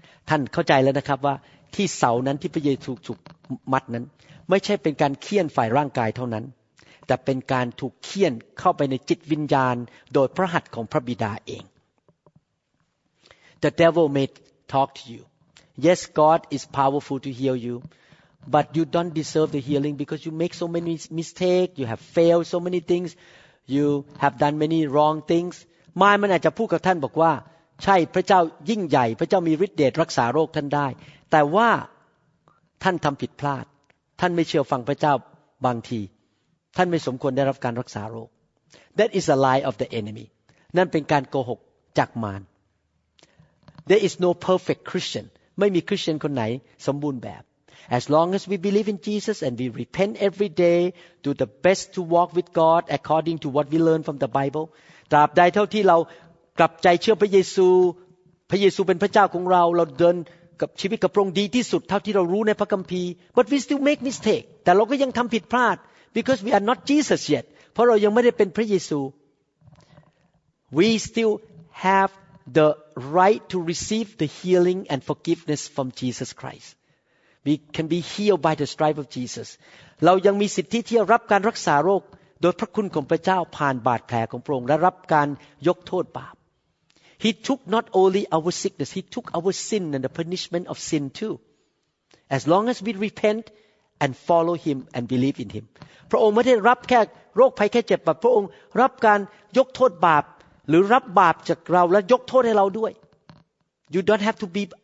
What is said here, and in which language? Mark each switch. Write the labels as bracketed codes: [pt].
[th] ท่านเข้าใจแล้วนะครับว่าที่เสานั้นที่พระเยซูถูกมัดนั้นไม่ใช่เป็นการเคี่ยนฝ่ายร่างกายเท่านั้นแต่เป็นการถูกเคี่ยนเข้าไปในจิตวิญญาณโดยพระหัตถ์ของพระบิดาเอง [en] The devil may talk to you. Yes, God is powerful to heal you, but you don't deserve the healing because you make so many mistakes, you have failed so many things, you have done many wrong things. [th] มารมันอาจจะพูดกับท่านบอกว่าใช่พระเจ้ายิ่งใหญ่พระเจ้ามีฤทธิ์เดชรักษาโรคท่านได้แต่ว่าท่านทำผิดพลาดท่านไม่เชื่อฟังพระเจ้าบางทีท่านไม่สมควรได้รับการรักษาโรค [en] That is a lie of the enemy. [th] นั่นเป็นการโกหกจากมาร [en] There is no perfect Christian. [th] ไม่มีคริสเตียนคนไหนสมบูรณ์แบบ [en] As long as we believe in Jesus and we repent every day, do the best to walk with God according to what we learn from the Bible. [th] ตราบใดเท่าที่เรากลับใจเชื่อพระเยซูพระเยซูเป็นพระเจ้าของเราเราเดินกับชีวิตกับพระองค์ดีที่สุดเท่าที่เรารู้ในพระคัมภีร์ [en] But we still make mistakes. [th] แต่เราก็ยังทำผิดพลาด [en] Because we are not Jesus yet. [th] เพราะเรายังไม่ได้เป็นพระเยซู [en] We still have the right to receive the healing and forgiveness from Jesus Christ. We can be healed by the stripes of Jesus. [th] เรายังมีสิทธิที่จะรับการรักษาโรคโดยพระคุณของพระเจ้าผ่านบาดแผลของพระองค์และรับการยกโทษบาป [en] He took not only our sickness, He took our sin and the punishment of sin too. As long as we repentand follow him and believe in him [th] พระองค์ไม่ได้รับแค่โรคภัยแค่เจ็บบาปพระองค์รับการยกโทษบาปหรือรับบาปจากเราและยกโทษให้เราด้วย [en] you don't have to be